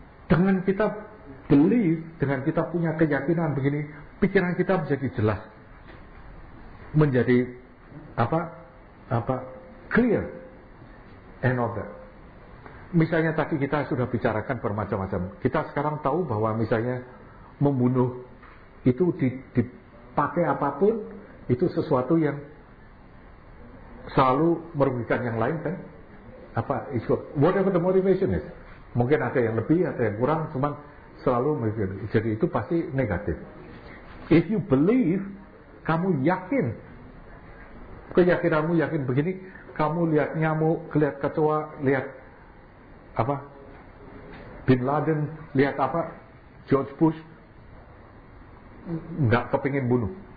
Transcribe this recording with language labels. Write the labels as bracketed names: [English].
[Indonesian] Dengan kita believe, dengan kita punya keyakinan begini, pikiran kita menjadi jelas, menjadi apa [English] clear and order. [Indonesian] Misalnya tadi kita sudah bicarakan bermacam-macam. Kita sekarang tahu bahwa misalnya membunuh itu dipakai apapun itu sesuatu yang selalu merugikan yang lain, kan? [English] Apa is whatever the motivation is. [Indonesian] Mungkin ada yang lebih, ada yang kurang, cuman selalu merugikan. Jadi itu pasti negatif. [English] If you believe, [Indonesian] kamu yakin, keyakinanmu yakin begini, kamu lihat nyamuk, lihat kecoa, lihat apa, Bin Laden, lihat apa, George Bush, nggak kepingin bunuh.